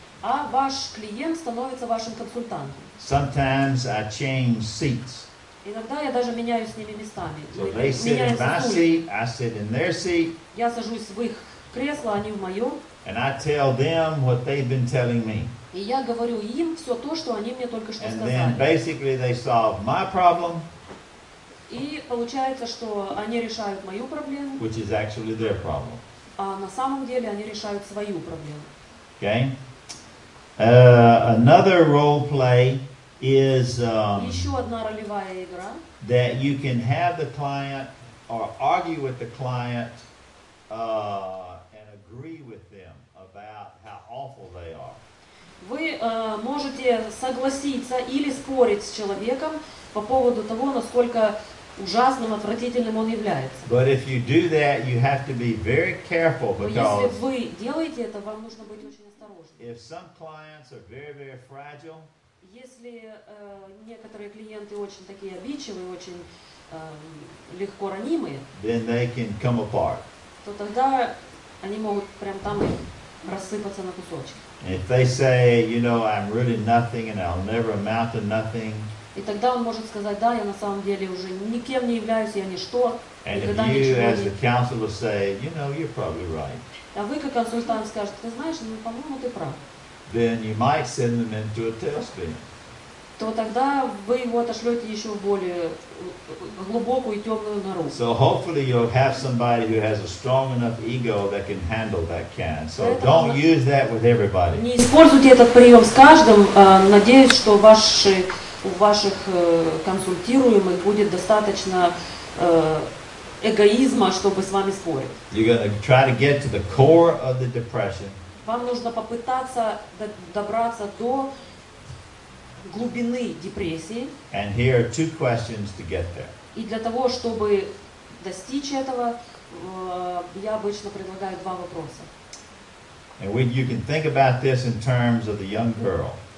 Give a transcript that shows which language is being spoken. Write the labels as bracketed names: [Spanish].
[Russian] А ваш клиент становится вашим консультантом. [English] Sometimes I change seats. [Russian] Иногда я даже меняю с ними местами. [English] So they sit in my seat, I sit in their seat. [Russian] Я сажусь в их кресло, они в моем. [English] And I tell them what they've been telling me. [Russian] И я говорю им все то, что они мне только что [English] and [Russian] сказали. [English] And then basically they solve my problem. [Russian] И получается, что они решают мою проблему. [English] Which is actually their problem. [Russian] А на самом деле они решают свою проблему. [English] Okay. Another role play is [Russian] еще одна ролевая игра. [English] That you can have the client or argue with the client and agree with them about how awful they are. [Russian] Вы можете согласиться или спорить с человеком по поводу того, насколько ужасным, отвратительным он является. [English] But if you do that, you have to be very careful because. [Russian] Если вы делаете это, вам нужно быть очень осторожным. [English] If some clients are very, very fragile. [Russian] Если некоторые клиенты очень такие обидчивые, очень легко ранимые. [English] Then they can come apart. [Russian] То тогда они могут прям там рассыпаться на кусочки. [English] If they say, you know, I'm really nothing and I'll never amount to nothing. [Russian] И тогда он может сказать, да, я на самом деле уже никем не являюсь, я ничто. [English] And if you, as the counselor, say, you know, you're probably right. [Russian] А вы как консультант скажете, ты знаешь, ну, по-моему, ты прав. [English] Then you might send them into a tailspin. [Russian] То тогда вы его отошлете еще в более глубокую и темную нору. [English] So hopefully you'll have somebody who has a strong enough ego that can handle that can. So don't use that with everybody. [Russian] Не используйте этот прием с каждым. Надеюсь, что у ваших консультируемых будет достаточно эгоизма, чтобы с вами спорить. [English] You're gonna try to get to the core of the depression. [Russian] Вам нужно попытаться добраться до глубины депрессии. [English] And here are two questions to get there. [Russian] И для того, чтобы достичь этого, я обычно предлагаю два вопроса. [English] And when you can think about this in terms of the young girl.